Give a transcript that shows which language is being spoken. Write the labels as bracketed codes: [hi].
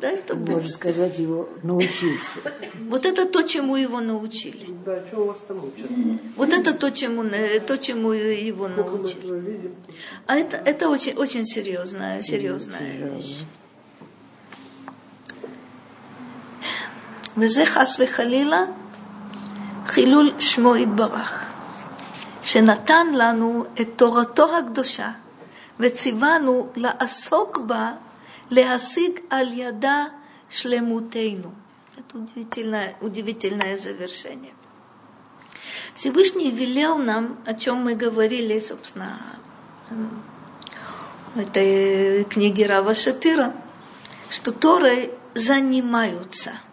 [ru] Дай-то Бог. Может сказать его научиться. Вот это то, чему его научили. Да, чего вас там учат? Вот это то, чему его научили. А это очень, очень серьезная вещь. [he] וזה חס וחלילה חילול שמו יתברך שנתן לנו את תורתו הקדושה וציוונו לעסוק בה להשיג על ידה שלמותנו. [ru] Это удивительное завершение. Всевышний велел нам, о чем мы говорили, собственно, в этой книге Рава Шапира, что Торой занимаются.